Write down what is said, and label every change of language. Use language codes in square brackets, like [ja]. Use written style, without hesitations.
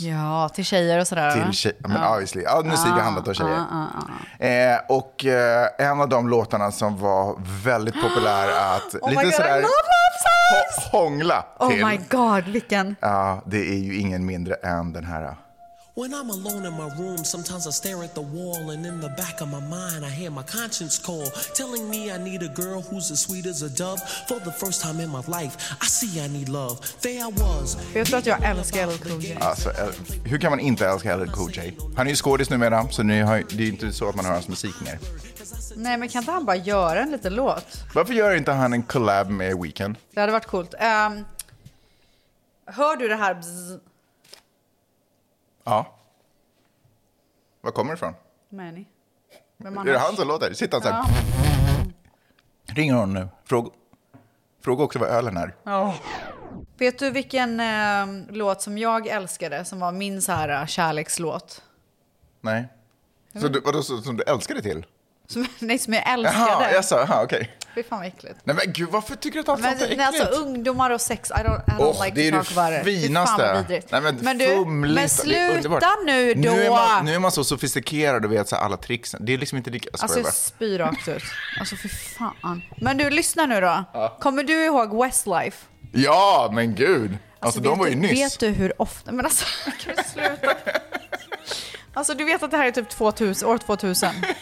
[sv] Ja, till tjejer och sådär. Till men obviously. Ja, nu ser vi handlat om tjejer. Och en av de låtarna som var väldigt populär att lite sådär hångla till. [en] Oh my god, [sv] vilken. Ja, det är ju ingen mindre än den här. [en] When I'm alone in my room, sometimes I stare at the wall, and in the back of my mind, I hear my conscience call, telling me I need a girl who's as sweet as a dove. For the first time in my life, I see I need love. There I was. [sv] Jag tror att jag älskar LL Cool J. Alltså, hur kan man inte älska LL Cool J? Han är ju skådis numera, så nu har, det är inte så att man hör hans musik mer. Nej, men kan inte han bara göra en liten låt? Varför gör inte han en collab med Weeknd? Det hade varit coolt. Hör du det här? Ja. Var kommer det ifrån? Manny. Men är det han som låter? Sitter han så här. Ja. Ringer hon nu. Fråga också vad ölen är. Oh. Vet du vilken låt som jag älskade som var min så här kärlekslåt? Nej. Så du, vadå, som du älskade till? Som jag älskade. Jaha, jaså, aha, okej. Okay. Fy fan vad äckligt. Nej men gud, varför tycker du att allt låter äckligt? Alltså ungdomar och sex, [en] I don't like to talk about it. [sv] Det är det finaste. Men du, sluta nu då. Nu är man så sofistikerad och vet så alla tricks. Det är liksom inte lika... Alltså jag spyr rakt ut. Alltså fy fan. Men du, lyssna nu då. Ja. Kommer du ihåg Westlife? Ja, men gud. Alltså de var ju nyss. Vet du hur ofta... Men alltså, kan du sluta? Alltså du vet att det här är typ 2000, år 2000.